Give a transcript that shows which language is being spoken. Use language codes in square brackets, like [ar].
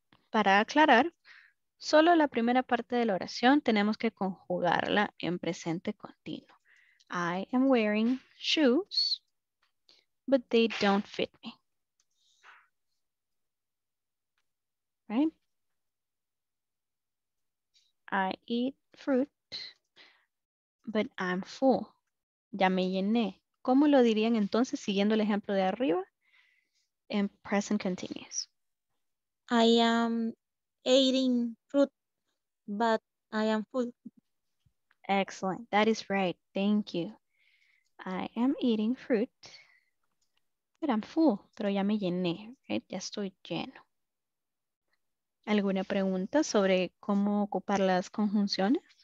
[es] Para aclarar, solo la primera parte de la oración tenemos que conjugarla en presente continuo. [en] I am wearing shoes, but they don't fit me. Right? I eat fruit, but I'm full. [es] Ya me llené. ¿Cómo lo dirían entonces siguiendo el ejemplo de arriba? En present continuous. [en] I am eating fruit, but I am full. Excellent. That is right. Thank you. I am eating fruit, but I'm full. [es] Pero ya me llené, right? Ya estoy lleno. ¿Alguna pregunta sobre cómo ocupar las conjunciones?